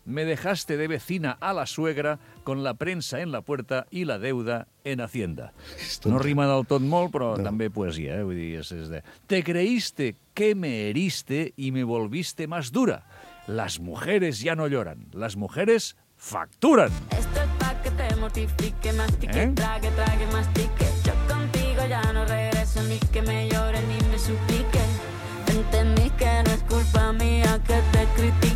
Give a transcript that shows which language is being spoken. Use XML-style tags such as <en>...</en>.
<es>Me dejaste de vecina a la suegra con la prensa en la puerta y la deuda en Hacienda.</es> <ca>No rima del tot molt, però no. També poesia. Vull dir, és de...</ca> <es>Te creíste que me heriste y me volviste más dura. Las mujeres ya no lloran. Las mujeres facturan. Esto es pa' que te mortifique, mastique, trague, mastique. Yo contigo ya no regreso ni que me llore ni me suplique. Entendí que no es culpa mía que te critique.</es>